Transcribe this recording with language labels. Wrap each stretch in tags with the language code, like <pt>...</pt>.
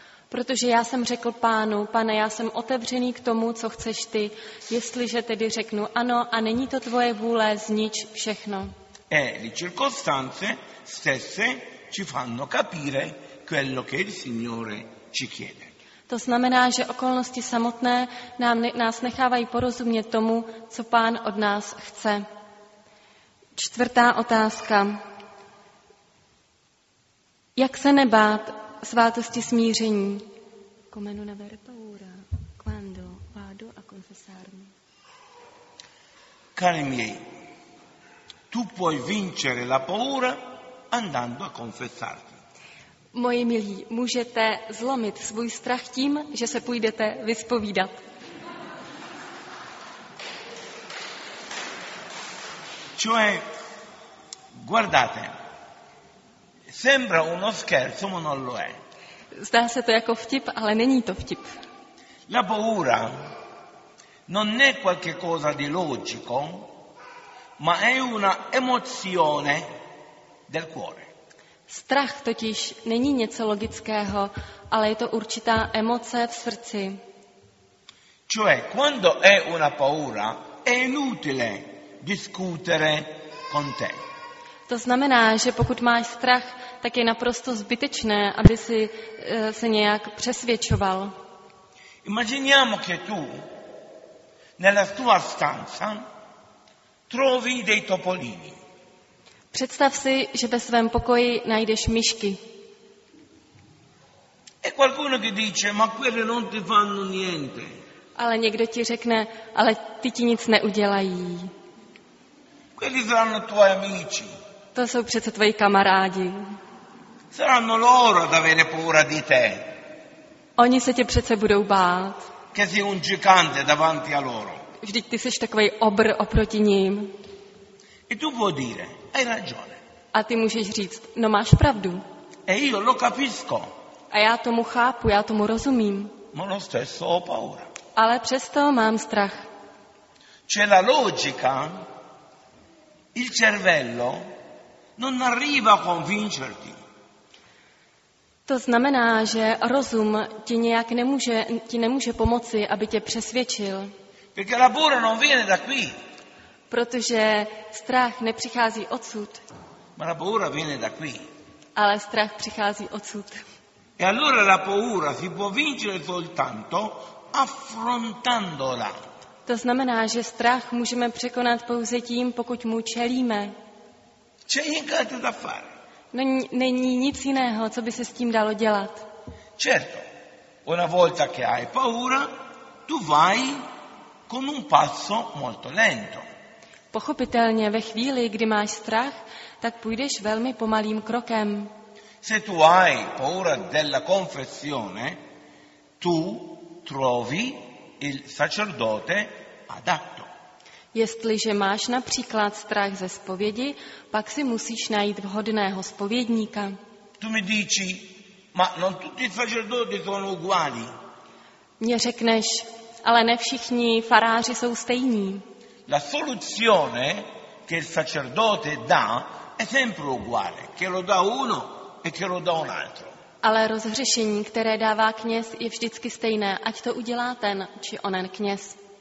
<cs>Protože já jsem řekl Pánu, Pane, já jsem otevřený k tomu, co chceš ty, jestliže tedy řeknu ano a není to tvoje vůle, znič všechno.</cs> <it>E le circostanze stesse ci fanno capire quello che il Signore ci chiede.</it> <cs>To znamená, že okolnosti samotné nás nechávají porozumět tomu, co Pán od nás chce. Čtvrtá otázka. Jak se nebát svátosti smíření?</cs> <it>Comenu na verpaura, quando vado a confessarmi. Cari miei, tu puoi vincere la paura andando a confessarti.</it> <cs>Moji milí, můžete zlomit svůj strach tím, že se půjdete vyspovídat.</cs> <it>Cioè, guardate, Sembra uno scherzo, ma non lo è.</it> <cs>Zdá se to jako vtip, ale není to vtip.</cs> <it>La paura non è qualche cosa di logico, ma è una emozione del cuore.</it> <cs>Strach totiž není něco logického, ale je to určitá emoce v srdci.</cs> <it>Cioè, quando è una paura, è inutile discutere con te.</it> <cs>To znamená, že pokud máš strach, tak je naprosto zbytečné, aby si se nějak přesvědčoval.</cs> <it>Immaginiamo che tu nella tua stanza trovi dei topolini.</it> <cs>Představ si, že ve svém pokoji najdeš myšky.</cs> <it>E qualcuno che dice, ma quelle non ti fanno niente.</it> <cs>Ale někdo ti řekne, ale ty ti nic neudělají.</cs> <it>Quelli saranno tuoi amici.</it> <cs>To jsou přece tvoji kamarádi.</cs> <it>Saranno loro ad avere paura di te.</it> <cs>Oni se tě přece budou bát.</cs> <it>Che sei un gigante davanti a loro.</it> <cs>Vždyť ty seš takovej obr oproti ním.</cs> <it>E tu puoi dire, hai ragione.</it> <cs>A ty můžeš říct, no máš pravdu.</cs> <it>E io lo capisco.</it> <cs>A já tomu chápu, já tomu rozumím.</cs> <it>Ma lo stesso ho paura.</it> <cs>Ale přesto mám strach.</cs> <it>C'è la logica, il cervello non arriva a convincerti.</it> <cs>To znamená, že rozum ti nějak nemůže, ti nemůže pomoci, aby tě přesvědčil.</cs> <it>Perché la paura non viene da qui.</it> <cs>Protože strach nepřichází odsud.</cs> <it>Ma la paura viene da qui.</it> <cs>Ale strach přichází odsud.</cs> <it>E allora la paura si può vincere soltanto affrontandola.</it> <cs>To znamená, že strach můžeme překonat pouze tím, pokud mu čelíme.</cs> <it>C'è niente da fare.</it> <cs>No, není nic jiného, co by se s tím dalo dělat.</cs> <it>Certo. Una volta che hai paura, tu vai con un passo molto lento.</it> <cs>Pochopitelně ve chvíli, kdy máš strach, tak půjdeš velmi pomalým krokem.</cs> <it>Se tu hai paura della confessione, tu trovi il sacerdote adatto.</it> <cs>Jestliže máš například strach ze zpovědi, pak si musíš najít vhodného zpovědníka.</cs> <it>Tu mi dici, ma non tutti i sacerdoti sono uguali.</it> <cs>Mě řekneš, ale ne všichni faráři jsou stejní.</cs> <it>La soluzione che il sacerdote dà è sempre uguale, che lo dà uno e che lo dà un altro.</it> <cs>Ale rozhřešení, které dává kněz, je vždycky stejné, ať to udělá ten či onen kněz.</cs>